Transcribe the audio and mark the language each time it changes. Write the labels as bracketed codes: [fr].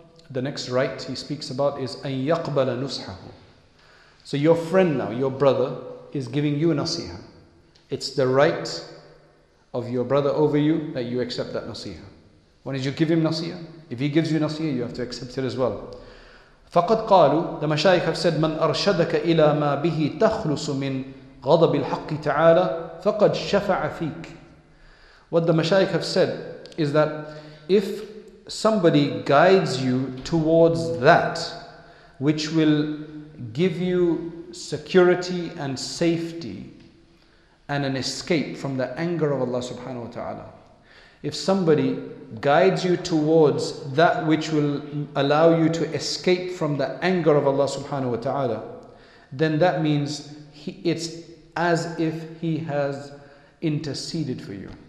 [en] The next right he speaks about is [ar] أَنْ يَقْبَلَ نُصْحَهُ. [en] So your friend now, your brother, is giving you nasiha. It's the right of your brother over you that you accept that nasiha. When did you give him nasiha? If he gives you nasiha, you have to accept it as well. [ar] فَقَدْ قَالُوا. [en] The mashayikh have said, [ar] مَنْ أَرْشَدَكَ إِلَى مَا بِهِ تَخْلُصُ مِنْ غَضَبِ الْحَقِّ تَعَالَى فَقَدْ شَفَعَ فِيكَ. [en] What the mashayikh have said is that if somebody guides you towards that which will give you security and safety and an escape from the anger of Allah subhanahu wa ta'ala, if somebody guides you towards that which will allow you to escape from the anger of Allah subhanahu wa ta'ala, then that means it's as if he has interceded for you.